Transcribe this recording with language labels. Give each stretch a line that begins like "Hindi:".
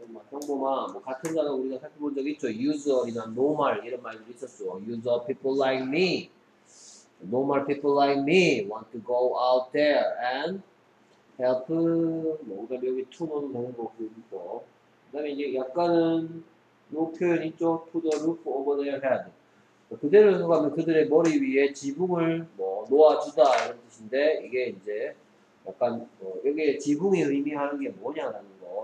Korean: 평범한, 뭐 같은 단어 우리가 살펴본 적 있죠. usual이나 normal 이런 말들이 있었어.
English: usual people like me, normal people like me want to go out there and help.
Korean: 뭐 그다음에 여기 to는 되는 거고 있고. 그다음에 이제 약간은 요 표현 있죠.
English: to the roof over their head.
Korean: 그대로 생각하면 그들의 머리 위에 지붕을 뭐 놓아주다 이런 뜻인데 이게 이제 약간 뭐 여기에 지붕이 의미하는 게 뭐냐라는.